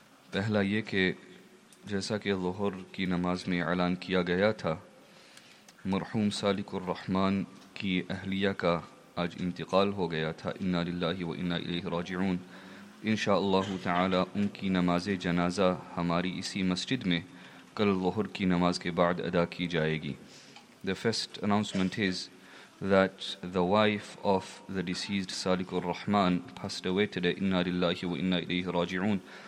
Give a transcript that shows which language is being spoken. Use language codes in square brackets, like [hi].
[ur] پہلا یہ کہ جیسا کہ ظہر کی نماز میں اعلان کیا گیا تھا, مرحوم سالک الرحمن کی اہلیہ کا آج انتقال ہو گیا تھا. [ar] انا للہ و انا الیہ راجعون. [ur] انشاءاللہ تعالی ان کی نماز جنازہ ہماری اسی مسجد میں کل ظہر کی نماز کے بعد ادا کی جائے گی. [en] The first announcement is that the wife of the deceased Salik ur-Rahman passed away today. [ar] انا للہ و انا الیہ راجعون.